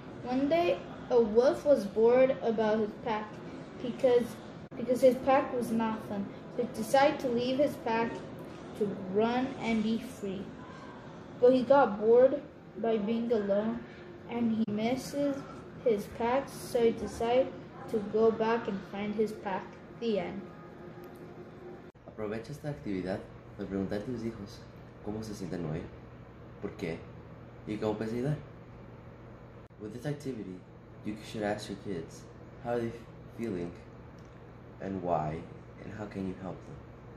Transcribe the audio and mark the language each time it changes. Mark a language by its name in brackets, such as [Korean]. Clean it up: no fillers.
[English] One day, a wolf was bored about his pack because his pack was not fun. He decided to leave his pack to run and be free. But he got bored by being alone and he misses his pack, so he decided to go back and find his pack. The end. [Spanish] Aprovecha esta actividad para preguntar a tus hijos cómo se sienten hoy, por qué y cómo puedes ayudar. [English] With this activity, you should ask your kids how are they feeling and why and how can you help them.